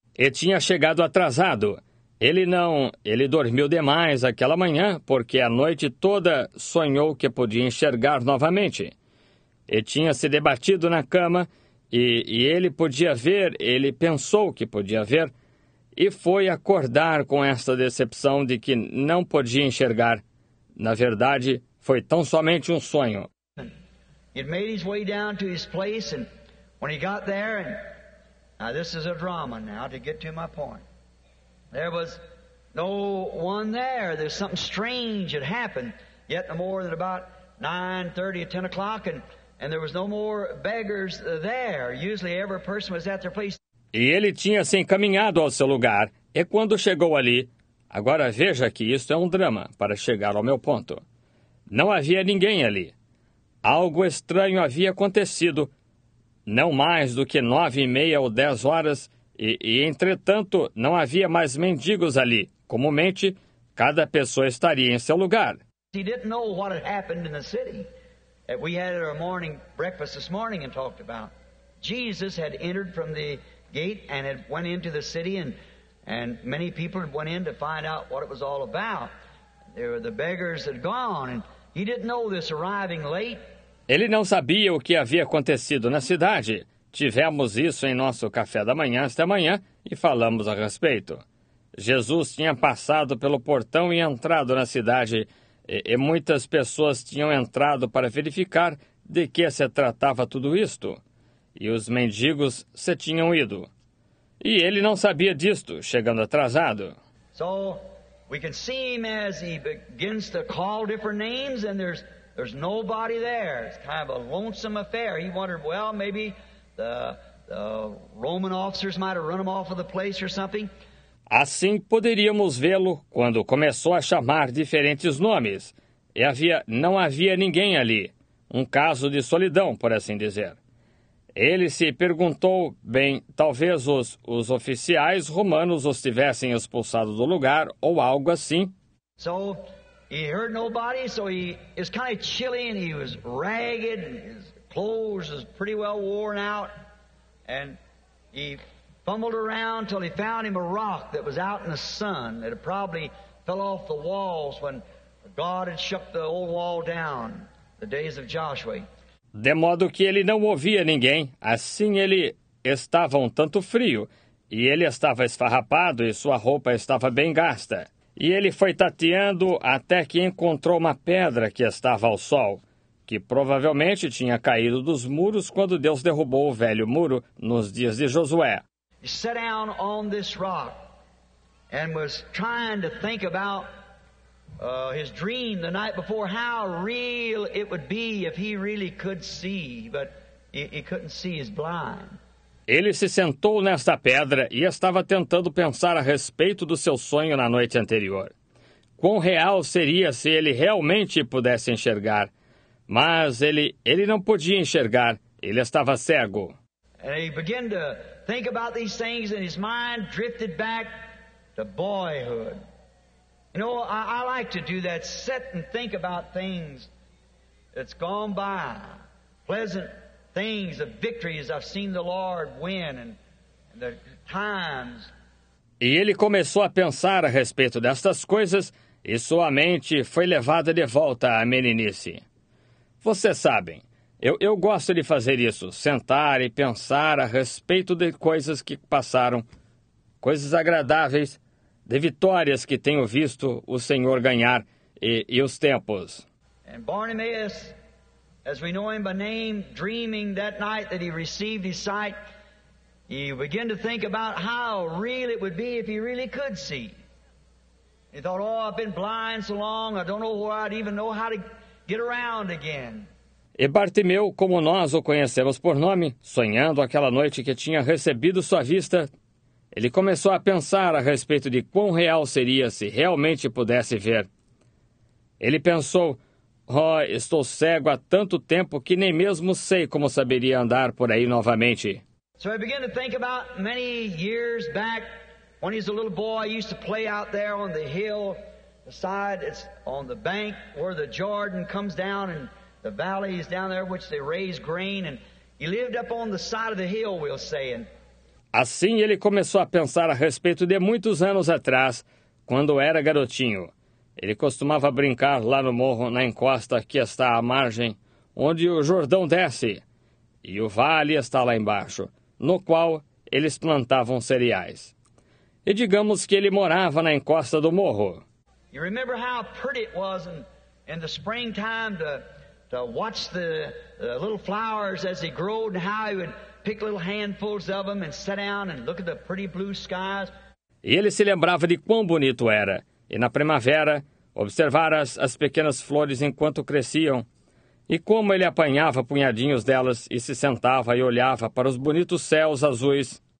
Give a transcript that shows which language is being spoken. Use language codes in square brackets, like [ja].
[pt] Ele tinha chegado atrasado. Ele dormiu demais aquela manhã, porque a noite toda sonhou que podia enxergar novamente. E tinha se debatido na cama, ele pensou que podia ver, e foi acordar com esta decepção de que não podia enxergar. Na verdade, foi tão somente um sonho. [en] He made his way down to his place, and when he got there, and now this is a drama now to get to my point. There was no one there. There's something strange had happened. Yet no more than about 9:30 or 10 o'clock, and there was no more beggars there. Usually every person was at their place. [pt] E ele tinha se encaminhado ao seu lugar. E quando chegou ali, agora veja que isto é um drama para chegar ao meu ponto. Não havia ninguém ali. Algo estranho havia acontecido. Não mais do que 9:30 ou 10 horas, e entretanto, não havia mais mendigos ali. Comumente, cada pessoa estaria em seu lugar. [en] He didn't know what had happened in the city. We had our morning breakfast this morning and talked about. Jesus had entered from the gate and had went into the city, and many people had went in to find out what it was all about. There were the beggars had gone, and he didn't know this arriving late. [pt] Ele não sabia o que havia acontecido na cidade. Tivemos isso em nosso café da manhã esta manhã e falamos a respeito. Jesus tinha passado pelo portão e entrado na cidade, e muitas pessoas tinham entrado para verificar de que se tratava tudo isto. E os mendigos se tinham ido. E ele não sabia disto, chegando atrasado. [en] So, we can see him as he begins to call different names, and there's nobody there. It's kind of a lonesome affair. He wondered, well, maybe the Roman officers might have run him off of the place or something. [pt] Assim poderíamos vê-lo quando começou a chamar diferentes nomes. E não havia ninguém ali. Um caso de solidão, por assim dizer. Ele se perguntou, bem, talvez os oficiais romanos os tivessem expulsado do lugar ou algo assim. [en] So, he heard nobody, so he is kind of chilly, and he was ragged, and his clothes was pretty well worn out, and he fumbled around till he found him a rock that was out in the sun that had probably fell off the walls when God had shook the old wall down, the days of Joshua. [pt] De modo que ele não ouvia ninguém, assim ele estava um tanto frio, e ele estava esfarrapado e sua roupa estava bem gasta. E ele foi tateando até que encontrou uma pedra que estava ao sol, que provavelmente tinha caído dos muros quando Deus derrubou o velho muro nos dias de Josué. [en] He sat down on this rock and was trying to think about his dream the night before, how real it would be if he really could see, but he couldn't see, he's blind. [pt] Ele se sentou nesta pedra e estava tentando pensar a respeito do seu sonho na noite anterior. Quão real seria se ele realmente pudesse enxergar? Mas ele não podia enxergar. Ele estava cego. [en] And he began to think about these things, and his mind drifted back to boyhood. You know, I like to do that, sit and think about things that's gone by, pleasant things, the victories I've seen the Lord win, and the times. [pt] E ele começou a pensar a respeito destas coisas, e sua mente foi levada de volta à meninice. Vocês sabem, eu gosto de fazer isso, sentar e pensar a respeito de coisas que passaram, coisas agradáveis, de vitórias que tenho visto o Senhor ganhar, e os tempos. [en] And Bartimaeus, as we know him by name, dreaming that night that he received his sight, he began to think about how real it would be if he really could see. He thought, oh, I've been blind so long, I don't know where I'd even know how to get around again. [pt] E Bartimeu, como nós o conhecemos por nome, sonhando aquela noite que tinha recebido sua vista, ele começou a pensar a respeito de quão real seria se realmente pudesse ver. Ele pensou, oh, estou cego há tanto tempo que nem mesmo sei como saberia andar por aí novamente. [en] So I began to think about many years back when he's a little boy, he used to play out there on the hill, the side it's on the bank where the Jordan comes down and the valley is down there which they raise grain, and he lived up on the side of the hill, we'll say. And [pt] Assim ele começou a pensar a respeito de muitos anos atrás, quando era garotinho. Ele costumava brincar lá no morro, na encosta que está à margem, onde o Jordão desce. E o vale está lá embaixo, no qual eles plantavam cereais. E digamos que ele morava na encosta do morro. [en] You remember how pretty it was in the springtime to watch the little flowers as they grew and how he would pick little handfuls of them and sit down and look at the pretty blue skies. [pt] E ele se lembrava de quão bonito era, e na primavera, observar as pequenas flores enquanto cresciam, e como ele apanhava punhadinhos delas e se sentava e olhava para os bonitos céus azuis.